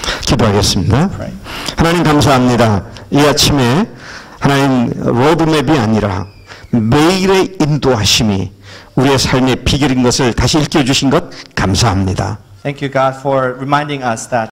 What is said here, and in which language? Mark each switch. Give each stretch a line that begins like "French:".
Korean: 기도하겠습니다. 하나님 감사합니다. 이 아침에 하나님 로드맵이 아니라 매일의 인도하심이 우리의 삶의 비결인 것을 다시 일깨워 주신 것 감사합니다.
English: Thank you, God, for reminding us that.